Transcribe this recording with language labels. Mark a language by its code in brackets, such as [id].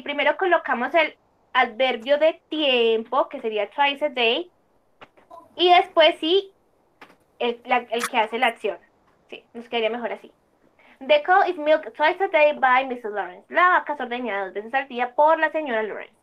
[es] Primero colocamos el adverbio de tiempo, que sería [en] twice a day. [es] Y después sí, el que hace la acción. Sí, nos quedaría mejor así. [en] The cow is milked twice a day by Mrs. Lawrence. [es] La vaca es ordeñada dos veces al día por la señora Lawrence.